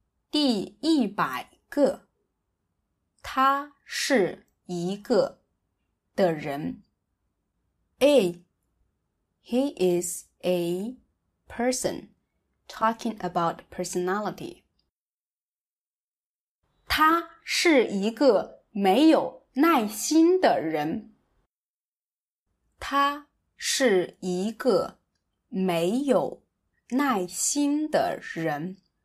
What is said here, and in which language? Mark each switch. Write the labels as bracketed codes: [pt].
[zh] 第一百个，他是一个的人。 A. [en] He is a person, talking about personality. [zh] 他是一个没有耐心的人。他是一个没有耐心的人。